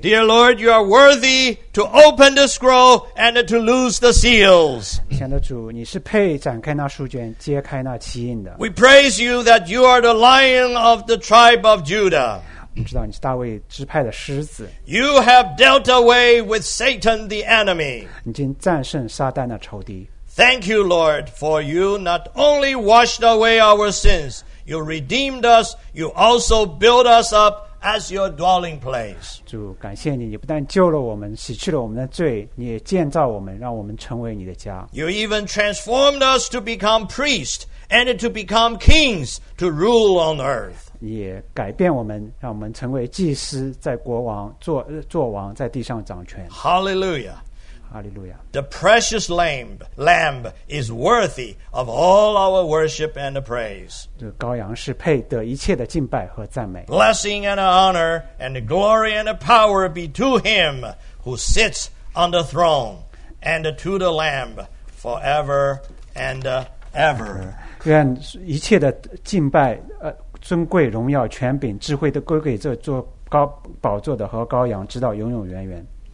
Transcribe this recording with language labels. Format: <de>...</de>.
<en>Dear Lord, you are worthy to open the scroll and to loose the seals.</en> <zh>亲爱的主，你是配展开那书卷，揭开那七印的。</zh> <en>We praise you that you are the Lion of the tribe of Judah.</en> <zh>我知道你是大卫支派的狮子。</zh> <en>You have dealt away with Satan the enemy.</en> <zh>已经战胜撒旦的仇敌。</zh> <en>Thank you, Lord, for you not only washed away our sins, you redeemed us, you also built us up as your dwelling place.</en> <zh>主，感谢你，你不但救了我们，洗去了我们的罪，你也建造我们，让我们成为你的家。</zh> <en>You even transformed us to become priests and to become kings to rule on earth.</en> <zh>也改变我们，让我们成为祭司，在国王 做王，在地上掌权。</zh> <en>Hallelujah, Hallelujah. The precious Lamb is worthy of all our worship and praise.</en> <zh>这羔羊是配得一切的敬拜和赞美。</zh> <en>Blessing and honor and glory and power be to Him who sits on the throne and to the Lamb forever and ever.</en> <zh>愿一切的敬拜尊贵荣耀权柄智慧都归给这座高宝座的和羔羊直到永永远远</zh>